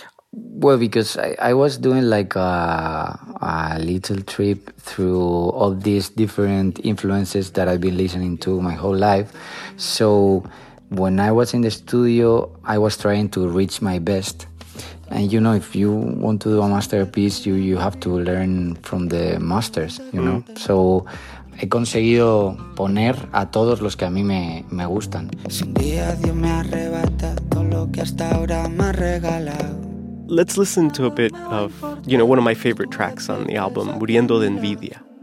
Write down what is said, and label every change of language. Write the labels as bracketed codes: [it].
[en] Well, because I was doing like a little trip through all these different influences that I've been listening to my whole life. So when I was in the studio, I was trying to reach my best. And you know, if you want to do a masterpiece, you have to learn from the masters, you know. [es] So he conseguido poner a todos los que a mí me gustan. Si un día Dios me arrebata todo lo que hasta ahora me ha regalado. [en] Let's listen to a bit of, you know, one of my favorite tracks on the album, Muriendo de Envidia.